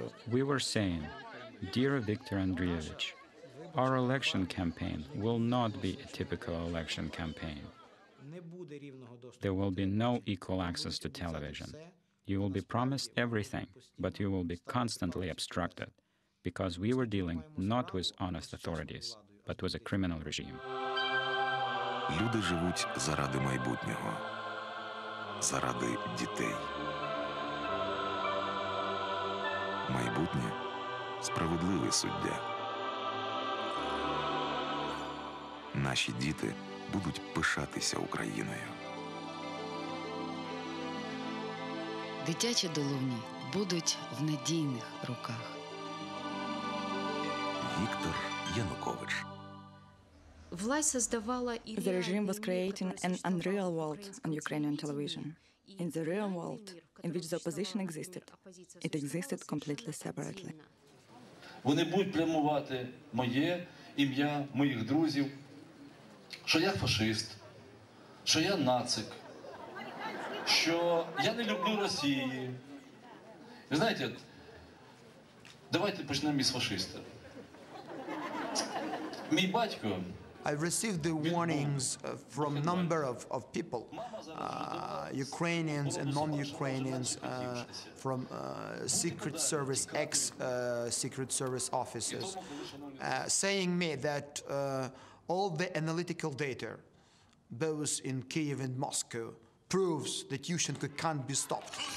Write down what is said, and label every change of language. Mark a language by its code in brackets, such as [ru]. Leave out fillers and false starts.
[en] We were saying, dear Viktor Andreevich, our election campaign will not be a typical election campaign. There will be no equal access to television. You will be promised everything, but you will be constantly obstructed, because we were dealing not with honest authorities, but with a criminal regime. [uk] Люди живуть заради майбутнього, заради дітей. Майбутнє – справедливий суддя. Наші діти будуть пишатися Україною. Дитячі долоні будуть в надійних руках. Віктор Янукович. [en] The regime was creating an unreal world on Ukrainian television. In the real world, in which the opposition existed, it existed completely separately. [uk] Вони будуть плямувати моє ім'я, моїх друзів, що я фашист, що я нацик, що я не люблю Росії. Ви знаєте, давайте почнемо із фашиста. Мій батько... [en] I received the warnings from a number of people, Ukrainians and non-Ukrainians, from Secret Service, ex-Secret Service officers, saying me that all the analytical data, both in Kyiv and Moscow, proves that Yushchenko can't be stopped.